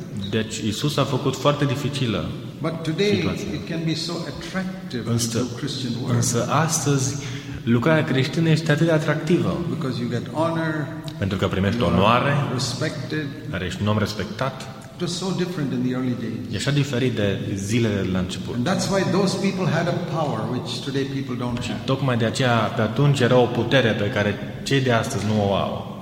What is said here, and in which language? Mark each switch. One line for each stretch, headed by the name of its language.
Romanian: Deci Iisus a făcut foarte dificilă.
English: But today it can be so attractive in the Christian world.
Romanian: Însă astăzi lucrarea creștină este atât de atractivă.
English: Because you get honor,
Romanian: pentru că primești onoare,
English: respected,
Romanian: ești un om respectat.
English: It was so different in the early days.
Romanian: E așa diferit de zilele la început.
English: And that's why those people had a power which today people don't have.
Romanian: Tocmai de aceea pe atunci era o putere pe care cei de astăzi nu o au.